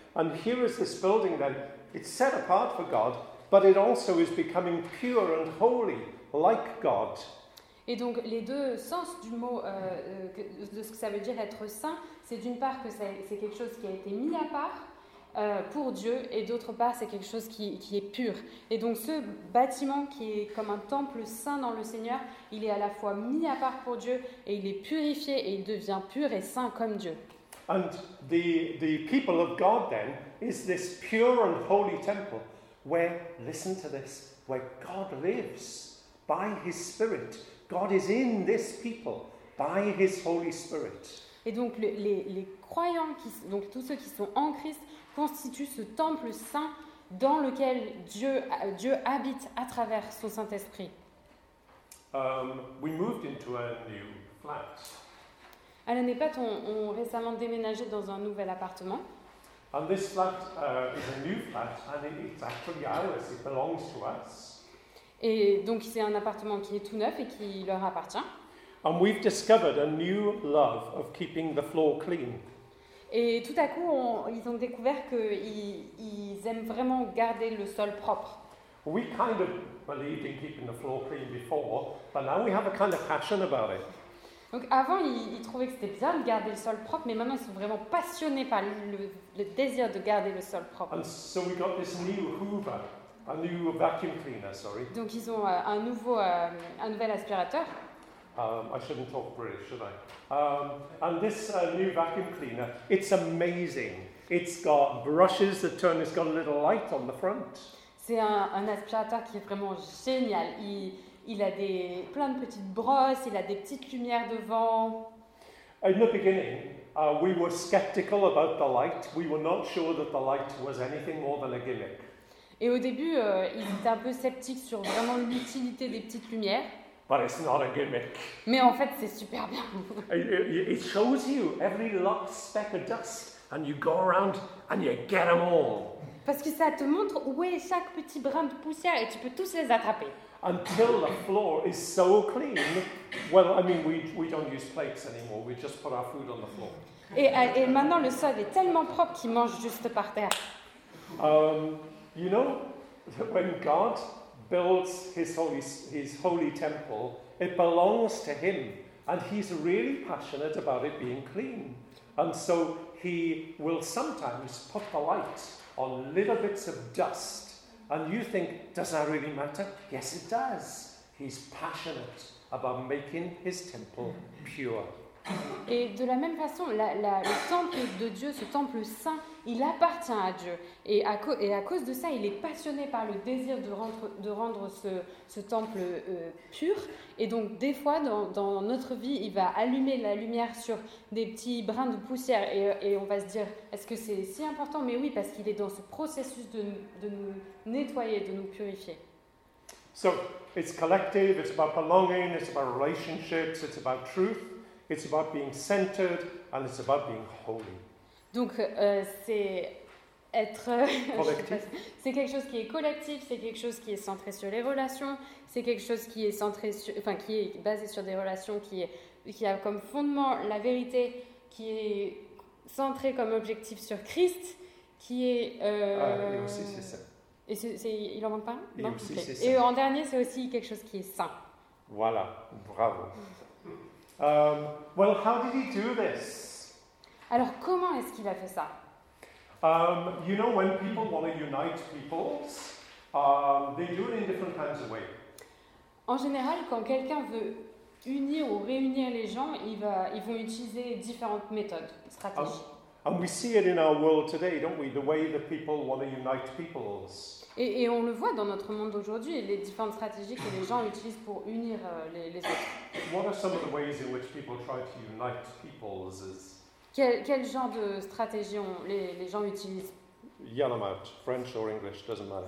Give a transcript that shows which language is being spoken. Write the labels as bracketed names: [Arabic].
[English] And here is this building then. It's set apart for God, but it also is becoming pure and holy like God. [French] Et donc les deux sens du mot, de ce que ça veut dire être saint, c'est d'une part que c'est quelque chose qui a été mis à part pour Dieu, et d'autre part c'est quelque chose qui est pur. Et donc ce bâtiment qui est comme un temple saint dans le Seigneur, il est à la fois mis à part pour Dieu, et il est purifié, et il devient pur et saint comme Dieu. [English] And the people of God then is this pure and holy temple where, listen to this, where God lives by his spirit. God is in this people by his Holy Spirit. [French] Et donc les croyants, donc tous ceux qui sont en Christ, constituent ce temple saint dans lequel Dieu habite à travers son Saint-Esprit. [English] We moved into a new flat. [French] Alan et Pat ont récemment déménagé dans un nouvel appartement. [English] And this flat is a new flat and it's actually ours, it belongs to us. [French] Et donc c'est un appartement qui est tout neuf et qui leur appartient. [English] And we've discovered a new love of keeping the floor clean. [French] Et tout à coup, ils ont découvert qu'ils aiment vraiment garder le sol propre. [English] We kind of believed in keeping the floor clean before, but now we have a kind of passion about it. [French] Donc avant, ils trouvaient que c'était bien de garder le sol propre, mais maintenant ils sont vraiment passionnés par le désir de garder le sol propre. [English] And so we got this new Hoover, a new vacuum cleaner, sorry. [French] Donc ils ont un nouvel aspirateur. [English] I shouldn't talk British, should I? And this new vacuum cleaner, it's amazing. It's got brushes that turn. It's got a little light on the front. [French] C'est un aspirateur qui est vraiment génial. Il a plein de petites brosses. Il a des petites lumières devant. [English] In the beginning, we were skeptical about the light. We were not sure that the light was anything more than a gimmick. [French] Et au début, ils étaient un peu sceptiques sur vraiment l'utilité des petites lumières. [English] But it's not a gimmick. [French] Mais en fait, c'est super bien. [English] It shows you every little speck of dust, and you go around and you get them all. [French] Parce que ça te montre où est chaque petit brin de poussière et tu peux tous les attraper. [English] Until the floor is so clean. Well, I mean, we don't use plates anymore. We just put our food on the floor. [French] Et maintenant le sol est tellement propre qu'ils mangent juste par terre. [English] You know, when God builds his holy temple, it belongs to him, and he's really passionate about it being clean. And so he will sometimes put the light on little bits of dust, and you think, does that really matter? Yes, it does. He's passionate about making his temple pure. [French] Et de la même façon, le temple de Dieu, ce temple saint, il appartient à Dieu. Et à cause de ça, il est passionné par le désir de rendre ce temple pur. Et donc, des fois, dans notre vie, il va allumer la lumière sur des petits brins de poussière. Et on va se dire, est-ce que c'est si important? Mais oui, parce qu'il est dans ce processus de nous nettoyer, de nous purifier. [English] So, it's collective, it's about belonging, it's about relationships, it's about truth. It's about being centered and it's about being holy. [French] Donc c'est être c'est quelque chose qui est collectif, c'est quelque chose qui est centré sur les relations, c'est quelque chose qui est centré sur enfin qui est basé sur des relations qui a comme fondement la vérité, qui est centré comme objectif sur Christ, qui est Et aussi c'est ça. Il en manque pas un? Non, okay. Et en dernier, c'est aussi quelque chose qui est saint. Voilà, bravo. [English] How did he do this? [French] Alors comment est-ce qu'il a fait ça? [English] You know, when people want to unite peoples, they do it in different kinds of ways. [French] En général, quand quelqu'un veut unir ou réunir les gens, ils vont utiliser différentes méthodes, stratégies. [English] And we see it in our world today, don't we? The way that people want to unite peoples. [French] Et on le voit dans notre monde aujourd'hui, les différentes stratégies que les gens utilisent pour unir les autres. [English] What are some of the ways in which people try to unite peoples? [French] Quel genre de stratégie les gens utilisent? [English] Yell them out, French or English, doesn't matter.